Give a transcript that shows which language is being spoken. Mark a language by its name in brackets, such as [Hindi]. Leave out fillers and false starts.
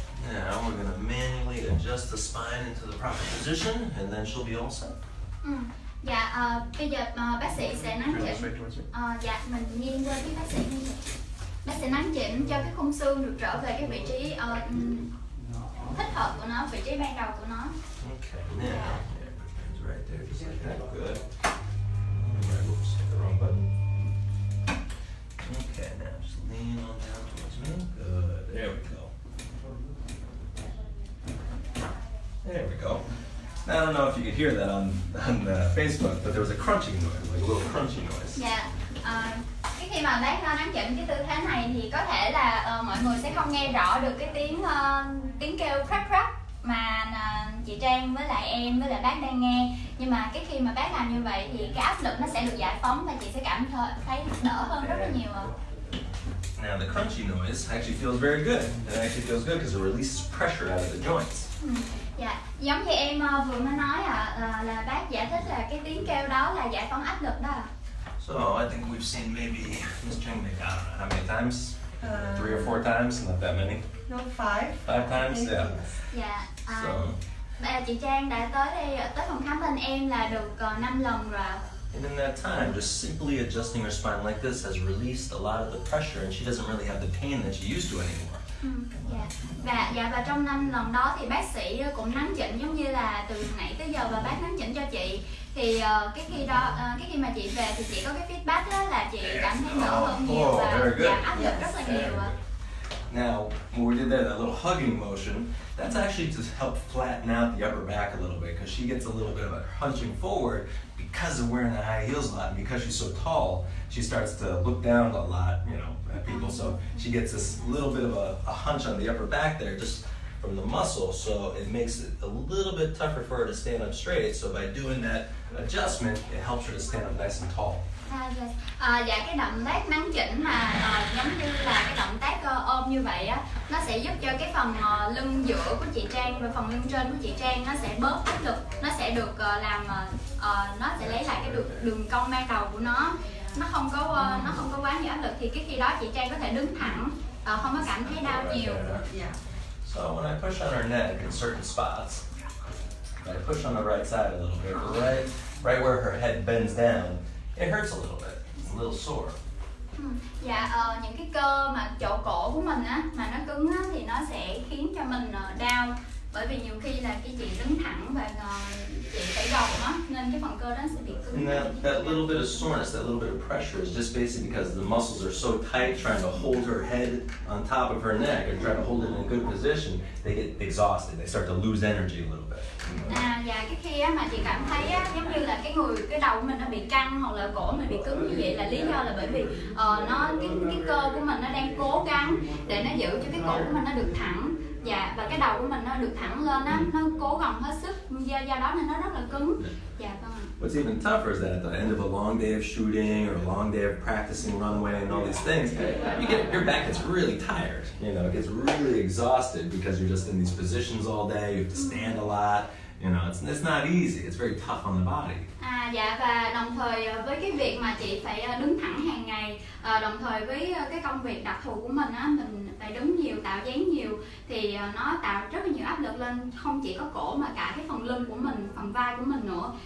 [English] Now we're gonna manually adjust the spine into the proper position, and then she'll be all set. [Vietnamese] Dạ. Bây giờ bác sĩ sẽ nắn chỉnh. Dạ, mình nghiêng qua phía bác sĩ nha chị. Bác sĩ nắn chỉnh cho cái khung xương được trở về cái vị trí thích hợp của nó, vị trí ban đầu của nó. [English] Okay, now everything's right there, just like that. Good. Oops, hit the wrong button. Okay, now just lean on down towards me. Good. There we go. I don't know if you could hear that on Facebook, but there was a crunching noise, like a little crunching noise. Yeah. [Vietnamese] Khi mà bác nắm chỉnh cái tư thế này thì có thể là mọi người sẽ không nghe rõ được cái tiếng kêu crack crack mà chị Trang với lại em với lại bác đang nghe. Nhưng mà cái khi mà bác làm như vậy thì cái áp lực nó sẽ được giải phóng và chị sẽ cảm thấy đỡ hơn rất là nhiều. [English] Now the crunchy noise actually feels very good. It actually feels good because it releases pressure out of the joints. Yeah. [Vietnamese] Giống như em vừa mới nói là bác giải thích là cái tiếng kêu đó là giải phóng áp lực đó. [English] So I think we've seen maybe Ms. Trang make out how many times? Three or four times? Not that many. No, five. Five times, okay. So. [Vietnamese] Chị Trang đã tới phòng khám bên em là được 5 lần rồi. [English] And in that time, just simply adjusting her spine like this has released a lot of the pressure, and she doesn't really have the pain that she used to anymore. [Vietnamese] Và trong 5 lần đó thì bác sĩ cũng nắn chỉnh giống như là từ nãy tới giờ và bác nắn chỉnh cho chị. Thì cái khi mà chị về thì chị có cái feedback đó là chị cảm thấy đỡ hơn nhiều và áp lực rất là nhiều. [English] Now, when we did that little hugging motion, that's actually to help flatten out the upper back a little bit, because she gets a little bit of a hunching forward because of wearing the high heels a lot, and because she's so tall, she starts to look down a lot, you know, at people. So she gets this little bit of a hunch on the upper back there, just from the muscle, so it makes it a little bit tougher for her to stand up straight. So by doing that adjustment, it helps her to stand up nice and tall. [Vietnamese] Dạ, cái động tác nắn chỉnh mà giống như là cái động tác ôm như vậy á, nó sẽ giúp cho cái phần lưng giữa của chị Trang và phần lưng trên của chị Trang nó sẽ bớt áp lực, nó sẽ được làm nó sẽ lấy lại cái đường cong ban đầu của nó. Nó không có quá nhiều áp lực thì cái khi đó chị Trang có thể đứng thẳng, không có cảm thấy đau nhiều. [English] So when I push on her neck in certain spots, I push on the right side a little bit, right where her head bends down. It hurts a little bit. It's a little sore. [Vietnamese] Dạ, những cái cơ mà chỗ cổ của mình á, mà nó cứng á, thì nó sẽ khiến cho mình đau. Bởi vì nhiều khi là khi chị đứng thẳng và chị phải gồng á, nên cái phần cơ đó sẽ bị cứng. [English] That little bit of soreness, that little bit of pressure is just basically because the muscles are so tight trying to hold her head on top of her neck and trying to hold it in a good position, they get exhausted. They start to lose energy a little bit. [Vietnamese] Dạ, cái khi á mà chị cảm thấy á giống như là cái đầu của mình nó bị căng hoặc là cổ mình bị cứng như vậy là lý do là bởi vì nó cái cơ của mình nó đang cố gắng để nó giữ cho cái cổ của mình nó được thẳng. Dạ, và cái đầu của mình nó được thẳng lên á, nó cố gắng hết sức, do đó nên nó rất là cứng. Dạ, vâng. [English] What's even tougher is that at the end of a long day of shooting or a long day of practicing runway and all these things, you get your back gets really tired. You know, it gets really exhausted because you're just in these positions all day. You have to stand a lot. You know, it's not easy. It's very tough on the body. [Vietnamese] À, dạ, và đồng thời với cái việc mà chị phải đứng thẳng hàng ngày, đồng thời với cái công việc đặc thù của mình á, mình phải đứng nhiều, tạo dáng nhiều, thì nó tạo rất là nhiều áp lực lên không chỉ có cổ mà cả cái phần lưng của mình, phần vai của mình nữa.